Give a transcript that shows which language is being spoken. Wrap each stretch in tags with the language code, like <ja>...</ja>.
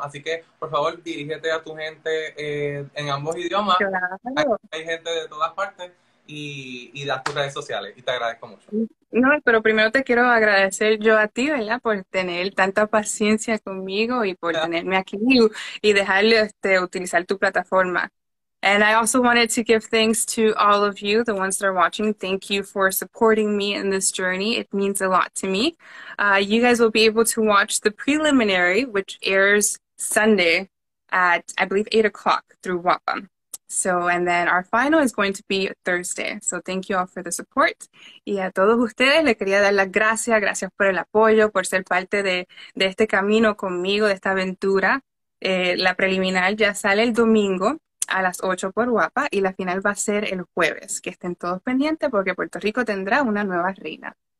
<es>Así que, por favor, dirígete a tu gente en ambos idiomas. Claro. Hay gente de todas partes y das tus redes sociales. Y te agradezco mucho. No, pero primero te quiero agradecer yo a ti, ¿verdad? Por tener tanta paciencia conmigo y por tenerme aquí y dejarle utilizar tu plataforma.</es> <en>And I also wanted to give thanks to all of you, the ones that are watching. Thank you for supporting me in this journey. It means a lot to me. You guys will be able to watch the preliminary, which airs Sunday at, I believe, 8 o'clock through WAPA. So, and then our final is going to be Thursday. So, thank you all for the support.</en> <es>Y a todos ustedes les quería dar las gracias. Gracias por el apoyo, por ser parte de este camino conmigo, de esta aventura. La preliminar ya sale el domingo a las 8 por WAPA y la final va a ser el jueves. Que estén todos pendientes porque Puerto Rico tendrá una nueva reina.</es>